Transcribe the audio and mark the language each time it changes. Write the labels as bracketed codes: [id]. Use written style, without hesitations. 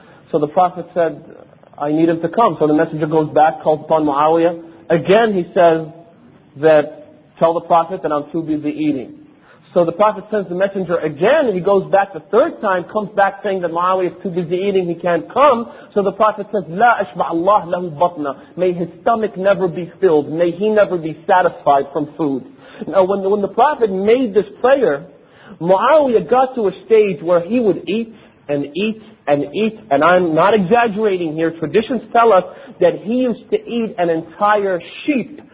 [en] So the Prophet said, I need him to come. So the messenger goes back, calls upon Muawiyah. Again he says that, tell the Prophet that I'm too busy eating. So the Prophet sends the messenger again, he goes back the third time, comes back saying that Muawiyah is too busy eating, he can't come. So the Prophet says, [ar] لا أشبع الله له بطنا. [en] May his stomach never be filled, may he never be satisfied from food. Now when the Prophet made this prayer, Muawiyah got to a stage where he would eat and eat and eat, and I'm not exaggerating here, traditions tell us that he used to eat an entire sheep.